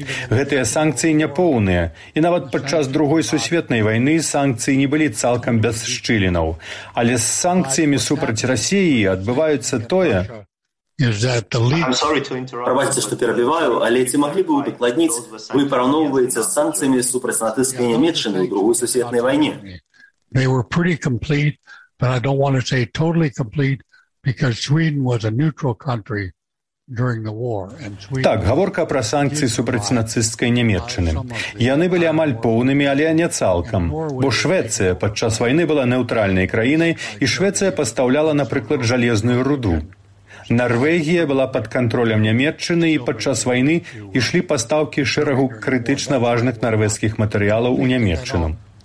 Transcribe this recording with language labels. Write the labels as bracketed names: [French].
[Belarusian] Гэтыя санкцыі няпоўныя, і нават падчас Другой сусветнай вайны санкцыі не былі цалкам без шчылінаў. Але з санкцыямі супраць Расіі адбываецца тое... Прабачце, што перабіваю, але ці маглі бы ўдакладніць, вы параўноўваеце з санкцыямі супраць натыскай Нямеччыны ў Другой сусветнай вайне? [English] They were pretty complete, but I don't want to say totally complete, because Sweden was a neutral country. [Belarusian] Так, гаворка пра санкцыі супраць нацысцкай Нямеччыны. Яны былі амаль поўнымі, але не цалкам. Бо Швецыя падчас вайны была нейтральнай краінай, і Швецыя пастаўляла, напрыклад, жалезную руду. Нарвегія была пад кантролем Нямеччыны, і падчас вайны ішлі пастаўкі шэрагу крытычна важных нарвежскіх матэрыялаў у Нямеччыну.